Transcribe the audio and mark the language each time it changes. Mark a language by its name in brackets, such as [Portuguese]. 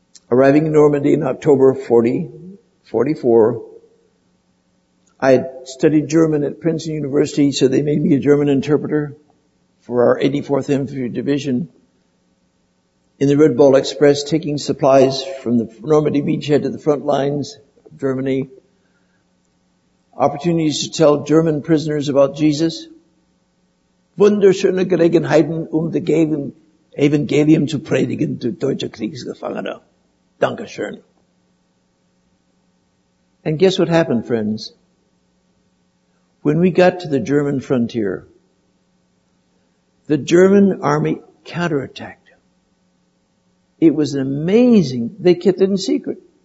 [English] Arriving in Normandy in October 44, I studied German at Princeton University, so they made me a German interpreter for our 84th Infantry Division. In the Red Bull Express, taking supplies from the Normandy beachhead to the front lines of Germany, opportunities to tell German prisoners about Jesus. [German] Wunderschöne Gelegenheiten, die Evangelium zu predigen, zu deutsche Kriegsgefangene. Dankeschön. [English] And guess what happened, friends? When we got to the German frontier, the German army counterattacked. It was amazing. They kept it in secret.